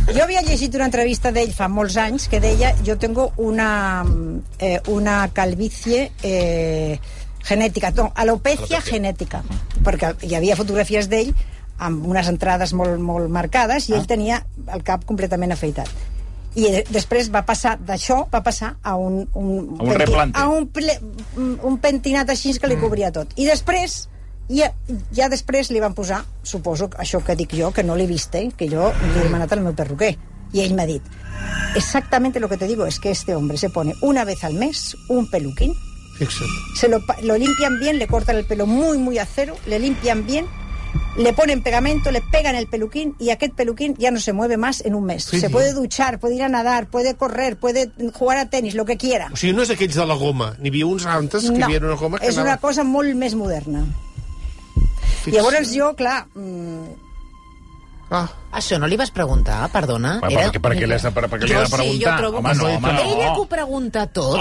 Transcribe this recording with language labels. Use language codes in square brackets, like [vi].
[ca] Jo havia llegit una entrevista d'ell fa molts anys que deia, jo tengo una calvície genètica, no, alopecia genètica, perquè hi havia fotografies d'ell amb unes entrades molt, molt marcades i ell tenia el cap completament afeitat. I després va passar d'això, va passar a un a un pentinat així que li cobria tot. I després, ja després li van posar, suposo, això que dic jo, que no l'he vist, que jo li he demanat al meu perruquer. I ell m'ha dit, [es] exactamente lo que te digo es que este hombre se pone una vez al mes un peluquín. Excelente. Se lo limpian bien, le cortan el pelo muy, muy a cero, le limpian bien, le ponen pegamento, le pegan el peluquín y aquel peluquín ya no se mueve más en un mes. Sí, se puede duchar, puede ir a nadar, puede correr, puede jugar a tenis, lo que quiera. [ca] O sigui, no és aquells de la goma. N'hi havia uns antes que havien una goma que és una cosa molt més moderna. I llavors jo, clar... Això no li vas preguntar, perdona. Perquè li has de preguntar? Jo sí, preguntar. Jo trobo ella que ho pregunta tot.